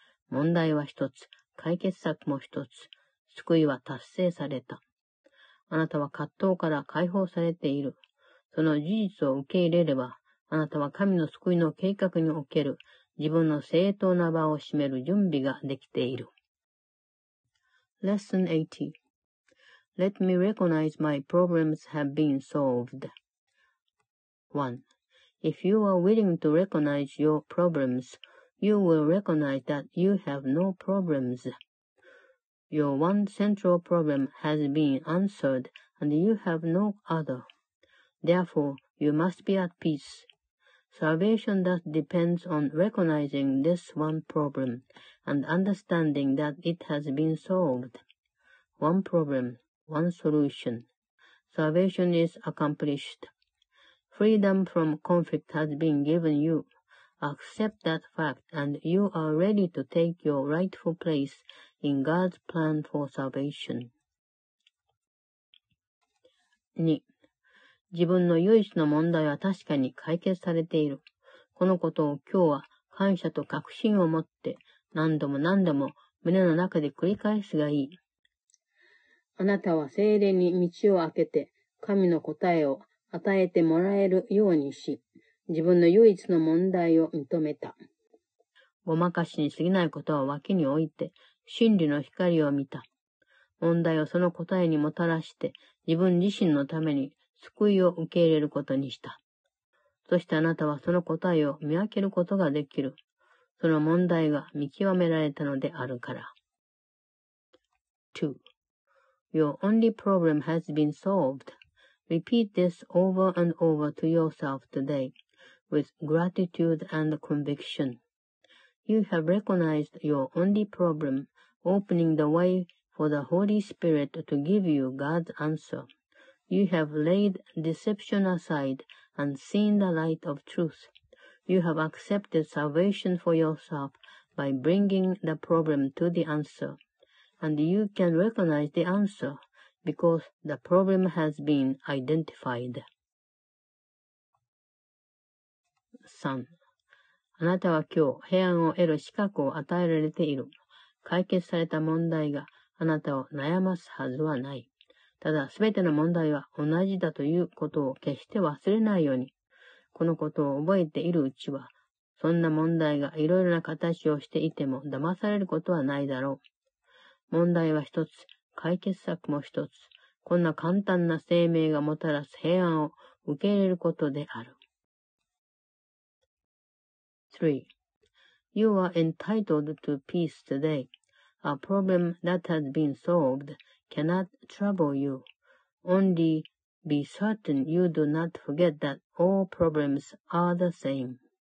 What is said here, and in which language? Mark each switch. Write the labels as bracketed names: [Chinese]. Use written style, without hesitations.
[Japanese] 問題は一つ、解決策も一つ、救いは達成された。あなたは葛藤から解放されている。その事実を受け入れれば、あなたは神の救いの計画における自分の正当な場を占める準備ができている。 [English] Lesson 80. Let me recognize my problems have been solved. 1. If you are willing to recognize your problems, you will recognize that you have no problems. Your one central problem has been answered and you have no other. Therefore, you must be at peace. Salvation thus depends on recognizing this one problem and understanding that it has been solved. One problem, one solution. Salvation is accomplished. Freedom from conflict has been given you. Accept that fact and you are ready to take your rightful place in God's plan for salvation. 2. [Japanese] 自分の唯一の問題は確かに解決されている。このことを今日は感謝と確信を持って何度も何度も胸の中で繰り返すがいい。あなたは聖霊に道を開けて、神の答えを与えてもらえるようにし、自分の唯一の問題を認めた。ごまかしに過ぎないことは脇に置いて、真理の光を見た。問題をその答えにもたらして、自分自身のために救いを受け入れることにした。そしてあなたはその答えを見分けることができる。その問題が見極められたのであるから。 [English] 2. Your only problem has been solved. Repeat this over and over to yourself today, with gratitude and conviction. You have recognized your only problem, opening the way for the Holy Spirit to give you God's answer. You have laid deception aside and seen the light of truth. You have accepted salvation for yourself by bringing the problem to the answer. And you can recognize the answer because the problem has been identified. 3. [Japanese] あなたは今日、平安を得る資格を与えられている。解決された問題があなたを悩ますはずはない。ただ、すべての問題は同じだということを決して忘れないように。このことを覚えているうちは、そんな問題がいろいろな形をしていても騙されることはないだろう。問題は一つ、解決策も一つ。こんな簡単な生命がもたらす平安を受け入れることである。 [English] 3. You are entitled to peace today. A problem that has been solved cannot trouble you. Only be certain you do not forget that all problems are the same.